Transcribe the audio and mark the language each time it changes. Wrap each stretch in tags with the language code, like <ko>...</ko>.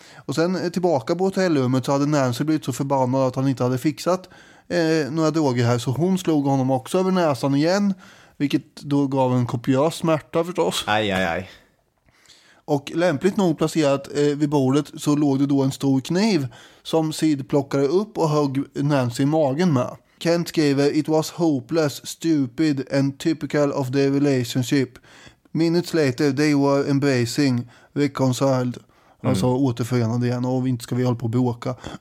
<sv>Och sen tillbaka på hotellrummet så hade Nancy blivit så förbannad att han inte hade fixat några droger här, så hon slog honom också över näsan igen, vilket då gav en kopiös smärta förstås. Aj, aj, aj. Och lämpligt nog placerat vid bordet så låg det då en stor kniv som Sid plockade upp och högg Nancy i magen med. Kent skriver:</sv> <en>"It was hopeless, stupid and typical of their relationship. Minutes later they were embracing, reconciled." Mm.</en> <sv>Alltså återförenade igen, och inte ska vi hålla på att bråka.</sv>